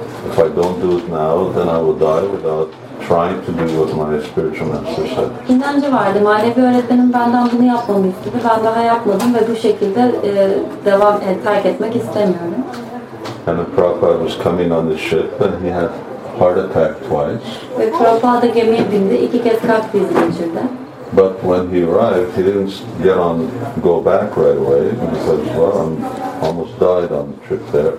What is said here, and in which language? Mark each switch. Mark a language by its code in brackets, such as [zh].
[en] If I don't do it now, then I will die without trying to do what my spiritual master said. [tr] İnancı vardı. Manevi öğretmenim benden bunu yapmamı istedi. Ben daha yapmadım ve bu şekilde terk etmek istemiyorum. [en] And the Prabhupada was coming on the ship and he had heart attack twice. [tr] Ve Prabhupada gemiye bindi. İki kez kalp krizi geçirdi. [en] But when he arrived, he didn't go back right away because, well, I'm almost died on the trip there.